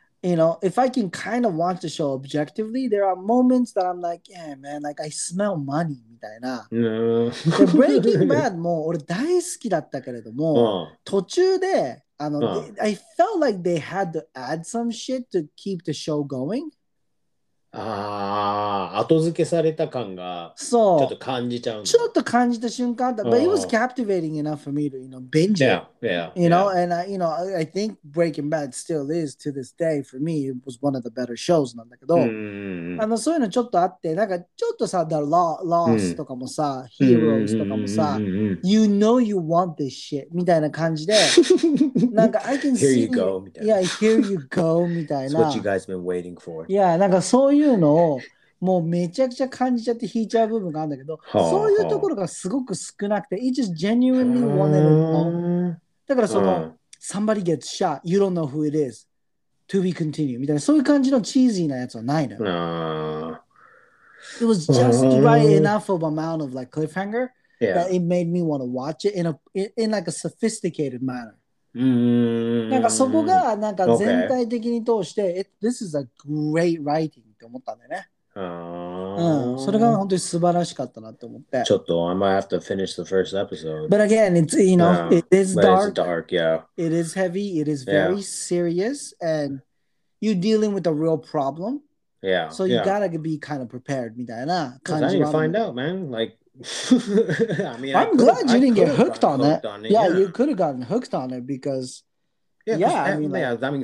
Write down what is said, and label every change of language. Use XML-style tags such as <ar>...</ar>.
<en>You know, if I can kind of watch the show objectively, there are moments that I'm like, yeah, man, like I smell money</en> <ja>みたいな。 Breaking Bad も俺大好きだったけれども、途中で</ja> <en>I felt like they had to add some shit to keep the show going.</en> <ja>ああ、後付けされた感がちょっと感じちゃうんだ。ちょっと感じた瞬間だ。</ja> <en>But it was captivating enough for me to, you know, binge it. Yeah. You know, and I, you know, I think Breaking Bad still is to this day for me. It was one of the better shows</en> <ja>なんだけど。あのそういうのちょっとあって、なんかちょっとさ、The Lost とかもさ、Heroes とかもさ、</ja> <en>You know you want this shit</en> <ja>みたいな感じで、なんか I can</ja> <en>see. Here you go</en> <ja>みたいな。</ja> <en>Yeah, here you go</en> <ja>みたいな。</ja> <en>What you guys been waiting for?</en> <ja>Yeah, なんかそういうのをもうめちゃくちゃ感じちゃって引いちゃう部分があるんだけど、そういうところがすごく少なくて、</ja> <en>It just genuinely wanted it all.</en> <ja>だからその、</ja> <en>Somebody gets shot, you don't know who it is, to be continued</en> <ja>みたいな、そういう感じのチーズーなやつはないのよ。</ja> <en>It was just right enough of amount of like cliffhanger that it made me want to watch it in like a sophisticated manner.</en> <ja>なんかそこがなんか全体的に通して、</ja> <en>This is a great writing</en> <ja>って思ったんだよね。それが本当に素晴らしかったなって思って。ちょっと、</ja> <en>I might have to finish the first episode. But again, it's, you know, it is dark. It is dark, yeah. It is heavy, it is very serious, and you're dealing with a real problem. Yeah. So you gotta be kind of prepared,</en> <ja>みたいな感じ。</ja> <en>I need to find out, man. Like, I mean, I'm glad you didn't get hooked on it. Yeah, you could have gotten hooked on it because, I mean,</en>